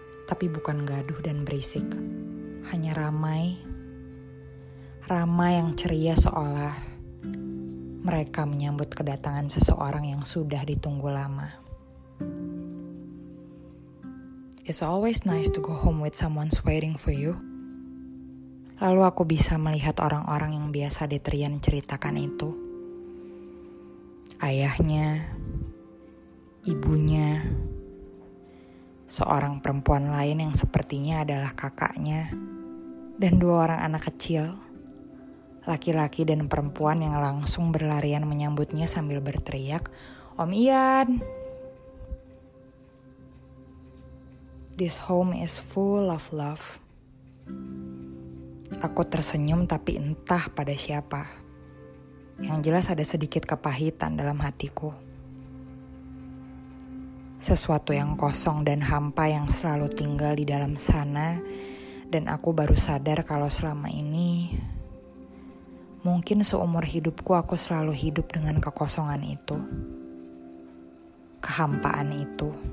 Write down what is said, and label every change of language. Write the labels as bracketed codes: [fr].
[id] Tapi bukan gaduh dan berisik. Hanya ramai. Ramai yang ceria seolah mereka menyambut kedatangan seseorang yang sudah ditunggu lama. [en] It's always nice to go home with someone waiting for you. [id] Lalu aku bisa melihat orang-orang yang biasa Detrian ceritakan itu. Ayahnya, ibunya, seorang perempuan lain yang sepertinya adalah kakaknya, dan dua orang anak kecil, laki-laki dan perempuan yang langsung berlarian menyambutnya sambil berteriak, "Om Ian!" [en] This home is full of love. [id] Aku tersenyum tapi entah pada siapa. Yang jelas ada sedikit kepahitan dalam hatiku. Sesuatu yang kosong dan hampa yang selalu tinggal di dalam sana, dan aku baru sadar kalau selama ini mungkin seumur hidupku aku selalu hidup dengan kekosongan itu, kehampaan itu.